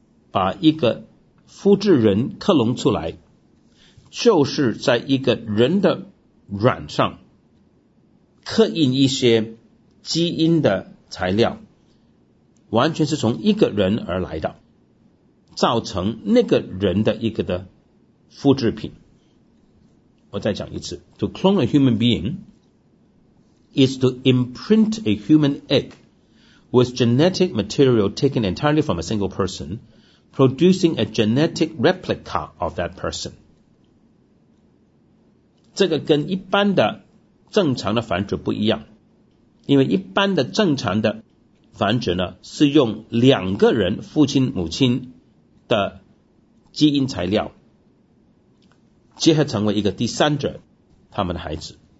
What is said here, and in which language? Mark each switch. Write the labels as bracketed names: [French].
[Chinese] 把一个复制人克隆出来，就是在一个人的卵上刻印一些基因的材料，完全是从一个人而来的，造成那个人的一个的复制品。我再讲一次， [English] To clone a human being is to imprint a human egg with genetic material taken entirely from a single person, producing a genetic replica of that person. [Chinese] 这个跟一般的正常的繁殖不一样，因为一般的正常的繁殖呢是用两个人父亲母亲的基因材料结合成为一个第三者他们的孩子。